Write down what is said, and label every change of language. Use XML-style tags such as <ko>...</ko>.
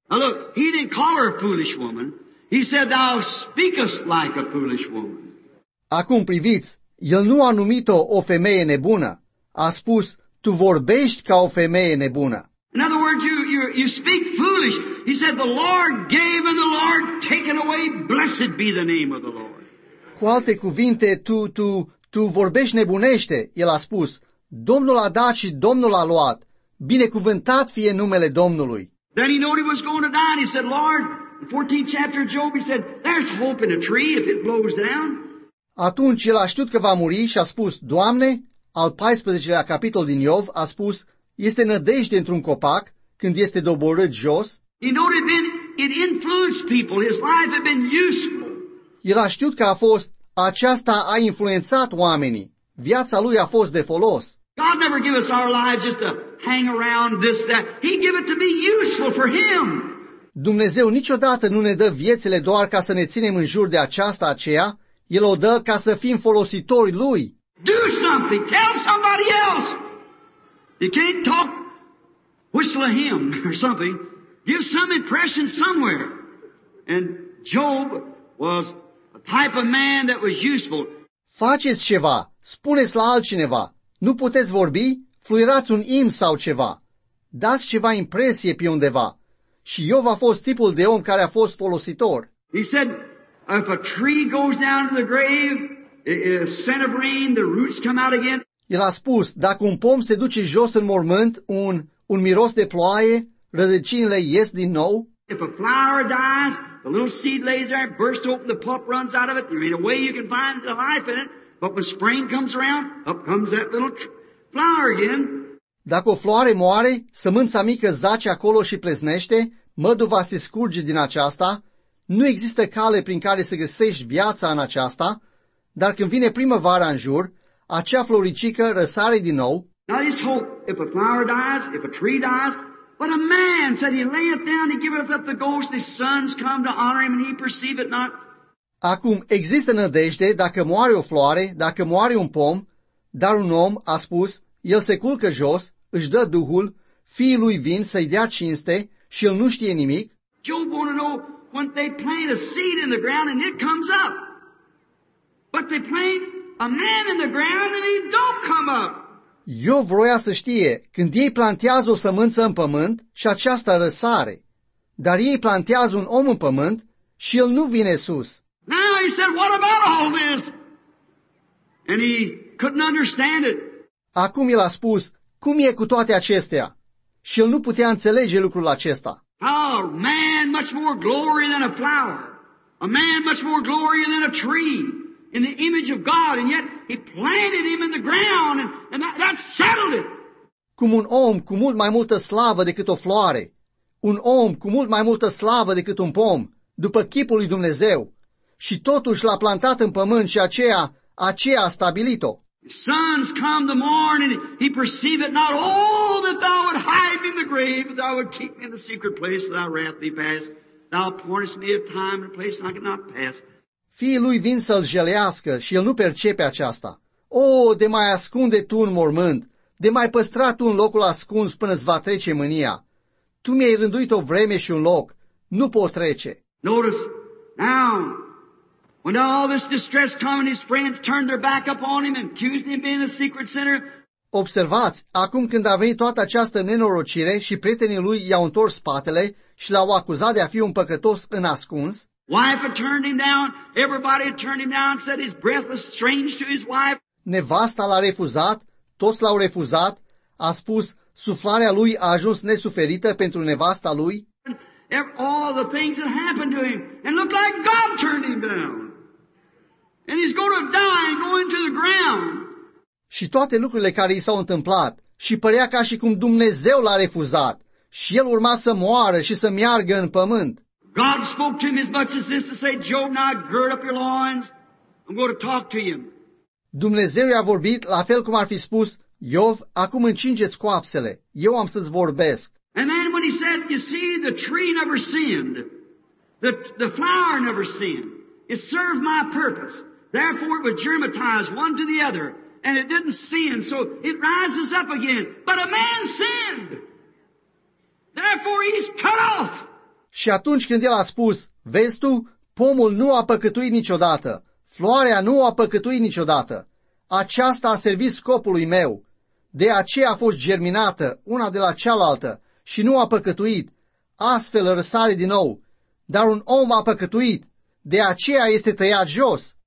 <en>Now look, he didn't call her a foolish woman. He said, thou speakest like a foolish woman.</en> <ro>Acum priviți, el nu a numit-o o femeie nebună. A spus, tu vorbești ca o femeie nebună.</ro> <en>In other words, you speak foolish. He said, the Lord gave and the Lord taken away. Blessed be the name of the Lord.</en> <ro>Cu alte cuvinte, tu vorbești nebunește, el a spus. Domnul a dat și Domnul a luat. Binecuvântat fie numele Domnului.</ro> <en>Then he knew he was going to die, and he said, Lord, the 14th chapter of Job, he said, there's hope in a tree if it blows down.</en> <ro>Atunci el a știut că va muri și a spus, Doamne, al 14-lea capitol din Iov a spus, este nădejde într-un copac când este doborât jos.</ro> <en>He knew it influenced people. His life had been useful.</en> <ro>El a știut că a fost, aceasta a influențat oamenii. Viața lui a fost de folos.</ro> <en>God never gave us our lives just to hang around this, that. He gave it to be useful for him.</en> <ro>Dumnezeu niciodată nu ne dă viețile doar ca să ne ținem în jur de aceasta, aceea. El o dă ca să fim folositori lui.</ro> <en>Do something. Tell somebody else. You can't talk whistle a hymn or something. Give some impression somewhere. And Job was a type of man that was useful.</en> <ro>Faceți ceva. Spuneți la altcineva. Nu puteți vorbi? Fluierați un imn sau ceva. Dați ceva impresie pe undeva. Și Iov a fost tipul de om care a fost folositor.</ro> <en>He said, if a tree goes down to the grave, scent of rain, the roots come out again.</en> <ro>El a spus, dacă un pom se duce jos în mormânt, un miros de ploaie, rădăcinile ies din nou.</ro> <en>If a flower dies, the little seed lays there, bursts open, the pulp runs out of it, there ain't a way you can find the life in it. But when spring comes around, up comes that little flower again.</en> <ro>Dacă o floare moare, sămânța mică zace acolo și pleznește, măduva se scurge din aceasta, nu există cale prin care să găsești viața în aceasta, dar când vine primăvara în jur, acea floricică răsare din nou.</ro> <en>Now this hope, if a flower dies, if a tree dies, but a man said he layeth down, he giveth up the ghost, his sons come to honor him and he perceive it not.</en> <ro>Acum există nădejde dacă moare o floare, dacă moare un pom, dar un om a spus, el se culcă jos, își dă duhul, fiii lui vin să-i dea cinste și el nu știe nimic.</ro> <en>Job wanna know when they plant a seed in the ground and it comes up. But they plant a man in the ground and he don't come up.</en> <ro>Eu vroia să știe când ei plantează o sămânță în pământ și aceasta răsare, dar ei plantează un om în pământ și el nu vine sus.</ro> <en>Now he said, what about all this? And he couldn't understand it.</en> <ro>Acum el a spus, cum e cu toate acestea? Și el nu putea înțelege lucrul acesta.</ro> <en>Oh, man much more glory than a flower. A man much more glory than a tree. In the image of God, and yet he planted him in the ground, and that settled it.</en> <ro>Cum un om cu mult mai multă slavă decât o floare. Un om cu mult mai multă slavă decât un pom, după chipul lui Dumnezeu. Și totuși l-a plantat în pământ și aceea a stabilit-o.</ro> <en>Sons come the morning, he perceive it not all that thou would hide me in the grave, but thou would keep me in the secret place, that thou wrath be past. Thou appointest me a time and a place and I cannot pass.</en> <ro>Fiii lui vin să-l jelească și el nu percepe aceasta. O, de mai ascunde tu în mormânt, de mai păstra tu în locul ascuns până îți va trece mânia. Tu mi-ai rânduit o vreme și un loc, nu pot trece.</ro> <en>Notice, now, when all this distress comes and his friends turn their back upon him and accuse him of being a secret sinner.</en> <ro>Observați, acum când a venit toată această nenorocire și prietenii lui i-au întors spatele și l-au acuzat de a fi un păcătos în ascuns.</ro> <en>Wife had turned him down, everybody had turned him down, said his breath was strange to his wife.</en> <ro>Nevasta l-a refuzat, toți l-au refuzat, a spus, suflarea lui a ajuns nesuferită pentru nevasta lui.</ro> <en>All the things that happened to him, and looked like God turned him down. And he's going to die and go into the ground.</en> <ro>Și toate lucrurile care i s-au întâmplat, și părea ca și cum Dumnezeu l-a refuzat, și el urma să moară și să meargă în pământ.</ro> <en>God spoke to him as much as this to say, Job, now gird up your loins, I'm going to talk to him.</en> <ro>Dumnezeu i-a vorbit la fel cum ar fi spus, Iov, acum încingeți coapsele, eu am să-ți vorbesc.</ro> <en>And then when he said, you see, the tree never sinned, the flower never sinned, it served my purpose, therefore it was germatized one to the other, and it didn't sin, so it rises up again, but a man sinned, therefore he's cut off.</en> <ro>Și atunci când el a spus, vezi tu, pomul nu a păcătuit niciodată, floarea nu a păcătuit niciodată, aceasta a servit scopului meu, de aceea a fost germinată una de la cealaltă și nu a păcătuit, astfel răsare din nou, dar un om a păcătuit, de aceea este tăiat jos.</ro>